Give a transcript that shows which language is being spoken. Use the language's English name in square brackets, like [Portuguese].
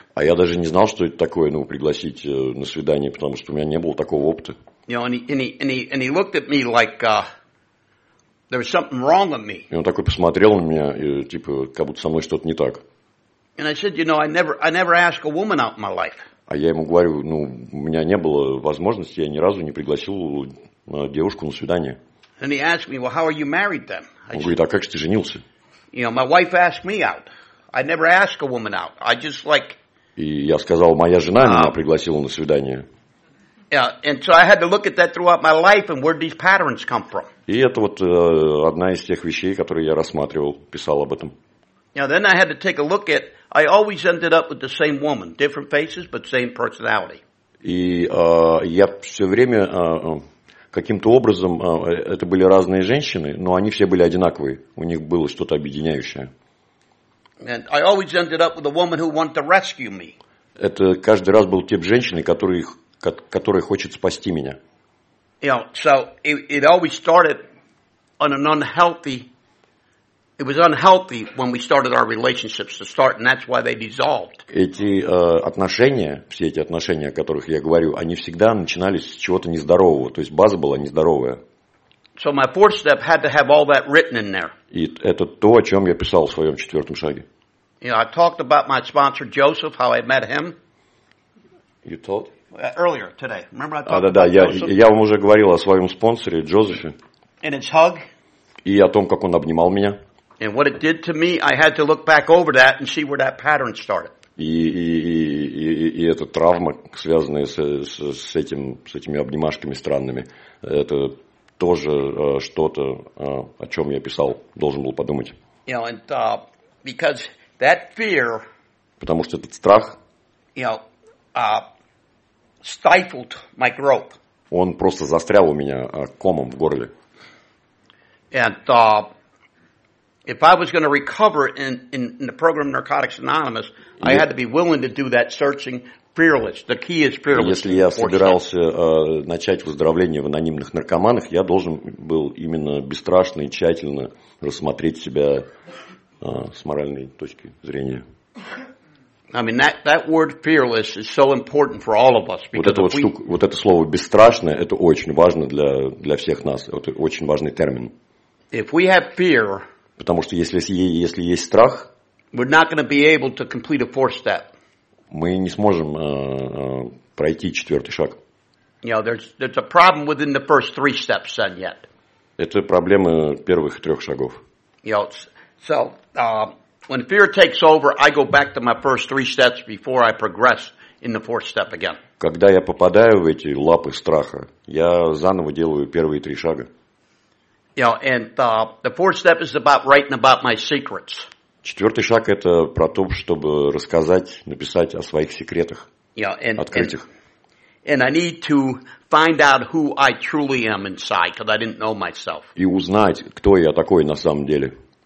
[Russian] А я даже не знал, что это такое, пригласить на свидание, потому что у меня не было такого опыта. [English] And he looked at me like there was something wrong with me. [Russian] И он такой посмотрел на меня, как будто со мной что-то не так. [English] And I said, I never asked a woman out in my life. [Russian] А я ему говорю, у меня не было возможности, я ни разу не пригласил девушку на свидание. [English] And he asked me, how are you married then? [Russian] Он говорит, а как же ты женился? [English] My wife asked me out. I never ask a woman out. I just like. [Russian] И я сказал, моя жена меня пригласила на свидание. [English] Yeah, and so I had to look at that throughout my life, and where these patterns come from. [Russian] И это вот одна из тех вещей, которые я рассматривал, писал об этом. [English] Now then, I had to take a look at. I always ended up with the same woman, different faces, but same personality. [Russian] И я все время каким-то образом это были разные женщины, но они все были одинаковые. У них было что-то объединяющее. [English] And I always ended up with a woman who wanted to rescue me. [Russian] Это каждый раз был тип женщины, который хочет спасти меня. [English] You know, so it always started on an unhealthy. It was unhealthy when we started our relationships to start, and that's why they dissolved. [Russian] Эти отношения, все эти отношения, о которых я говорю, они всегда начинались с чего-то нездорового. То есть база была нездоровая. [English] So my fourth step had to have all that written in there. [Russian] И это то, о чем я писал в своем четвертом шаге. [English] You know, I talked about my sponsor Joseph, how I met him. You told? Earlier today. Remember I talked about Joseph? [Russian] Я вам уже говорил о своем спонсоре Джозефе. [English] And his hug. [Russian] И о том, как он обнимал меня. [English] And what it did to me, I had to look back over that and see where that pattern started. [Russian] И эта травма, связанная с этими обнимашками странными, это тоже что-то, о чем я писал, должен был подумать. [English] You know, and because that fear, [Russian] потому что этот страх, [English] you know, stifled my growth. [Russian] Он просто застрял у меня комом в горле. [English] And if I was going to recover in the program Narcotics Anonymous, I had to be willing to do that searching. Fearless. The key is fearless. [Russian] Если я собирался начать выздоровление в анонимных наркоманах, я должен был именно бесстрашно и тщательно рассмотреть себя с моральной точки зрения. [English] I mean, that word fearless is so important for all of us. [Russian] Вот это вот штука, вот это слово бесстрашное, это очень важно для всех нас. Это очень важный термин. [English] If we have fear, [Russian] потому что если есть страх, [English] we're not going to be able to complete a fourth step. [Russian] Мы не сможем пройти четвертый шаг. [English] You know, there's a problem within the first three steps, son, yet. [Russian] Это проблемы первых трех шагов. [English] You know, so when fear takes over, I go back to my first three steps before I progress in the fourth step again. [Russian] Когда я попадаю в эти лапы страха, я заново делаю первые три шага. [English] You know, and the fourth step is about writing about my secrets. [Russian] Четвертый шаг – это про то, чтобы рассказать, написать о своих секретах, открытиях. И узнать, кто я такой на самом деле.